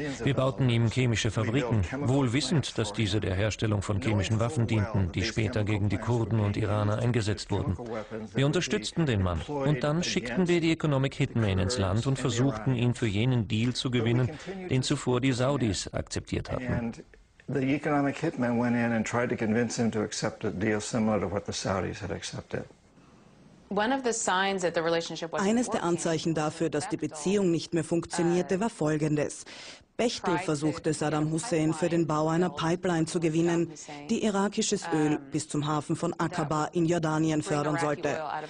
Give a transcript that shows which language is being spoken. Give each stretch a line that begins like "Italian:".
German: Wir bauten ihm chemische Fabriken, wohl wissend, dass diese der Herstellung von chemischen Waffen dienten, die später gegen die Kurden und Iraner eingesetzt wurden. Wir unterstützten den Mann. Und dann schickten wir die Economic Hitmen ins Land und versuchten, ihn für jenen Deal zu gewinnen, den zuvor die Saudis akzeptiert hatten.
English: The economic hitman went in and tried to convince him to accept a deal similar to what the Saudis had accepted.
German: Eines der Anzeichen dafür, dass die Beziehung nicht mehr funktionierte, war folgendes. Bechtel versuchte Saddam Hussein für den Bau einer Pipeline zu gewinnen, die irakisches Öl bis zum Hafen von Aqaba in Jordanien fördern sollte.